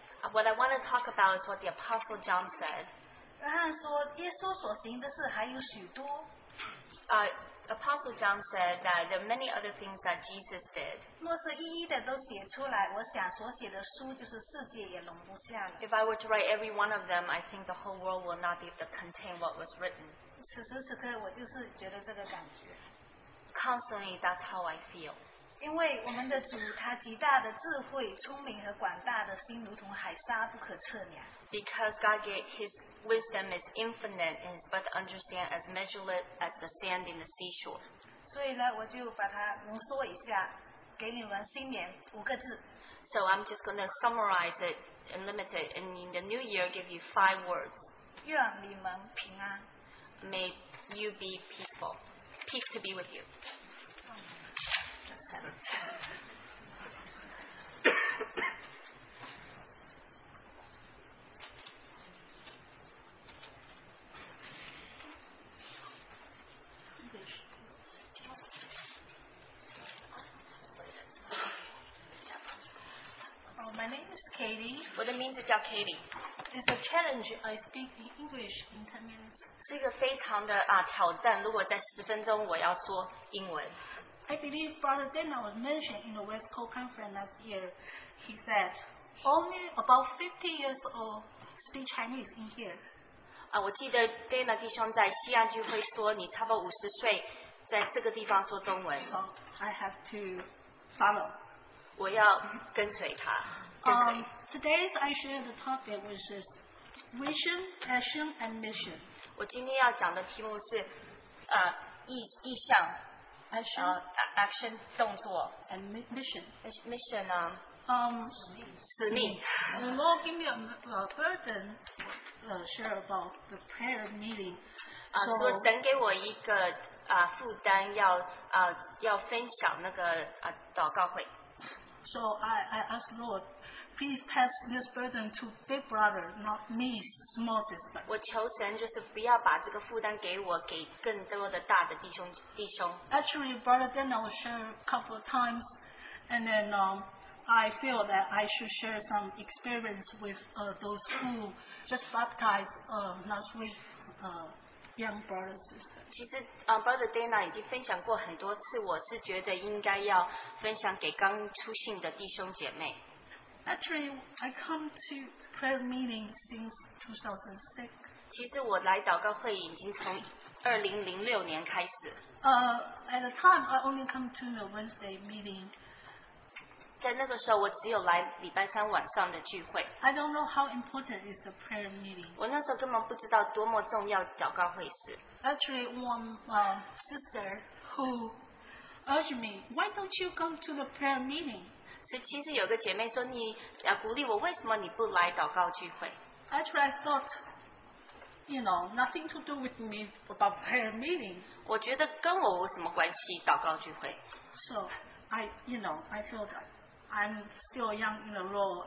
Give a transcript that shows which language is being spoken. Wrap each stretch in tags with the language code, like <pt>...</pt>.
<en>What I want to talk about is what the Apostle John said.</en> <zh>约翰说，耶稣所行的事还有许多。</zh> <en>Apostle John said that there are many other things that Jesus did.</en> <zh>若是一一的都写出来，我想所写的书就是世界也容不下了。</zh> <en>If I were to write every one of them, I think the whole world will not be able to contain what was written.</en> <zh>此时此刻，我就是觉得这个感觉。</zh> <en>Constantly, that's how I feel.</en> <zh>因为我们的主他极大的智慧、聪明和广大的心，如同海沙，不可测量。</zh> <en>Because God gave His wisdom is infinite and is but to understand as measureless as the sand in the seashore.</en> <zh>所以呢，我就把它浓缩一下，给你们新年五个字。</zh> <en>So I'm just going to summarize it and limit it, and in the new year, give you 5 words.</en> <zh>愿你们平安。</zh> <en>May you be peaceful. Peace to be with you. My name is Katie. What it means is called Katie. It's a challenge. I speak in English in 10 minutes.</en> <zh>是一个非常的挑战，如果在10分钟我要说英文。</zh> <en>I believe Brother Daniel was mentioned in the West Coast conference last year. He said only about 50 years old speak Chinese in here.</en> <zh>我记得 Daniel 弟兄在西安聚会说你差不多50岁在这个地方说中文。</zh> <en>So I have to follow.</en> <zh>我要跟随他。</zh> <en>Today's I share the topic, which is vision, passion, and mission.</en> <zh>我今天要讲的题目是，意向。</zh> <en>Passion. action</en> <zh>动作</zh> <en>and mission. Mission. The Lord gave me a burden to share about the prayer meeting. So I asked Lord, please pass this burden to big brother, not me, small sister.</en> <zh>我求神就是不要把这个负担给我，给更多的大的弟兄。</zh> <en>Actually, Brother Dana will share a couple of times, and then I feel that I should share some experience with those who just baptized last week. Young brothers, sisters.</en> <zh>其实, Brother Dana 已经分享过很多次, 我是觉得应该要分享给刚出信的弟兄姐妹。</zh> <en>Actually, I come to prayer meeting since 2006.</en> <zh>其实我来祷告会已经从 2006年开始。</zh> <en>At the time, I only come to the Wednesday meeting.</en> <zh>在那个时候我只有来礼拜三晚上的聚会。</zh> <en>I don't know how important is the prayer meeting.</en> <zh>我那时候根本不知道多么重要祷告会是。</zh> <en>Actually, one sister who urged me, why don't you come to the prayer meeting?</en> <zh>所以其实有个姐妹说你鼓励我为什么你不来祷告聚会。</zh> <en>Actually, I thought, you know, nothing to do with me about prayer meeting.</en> <zh>我觉得跟我有什么关系祷告聚会。</zh> <en>So, I feel that I'm still young in the Lord.</en>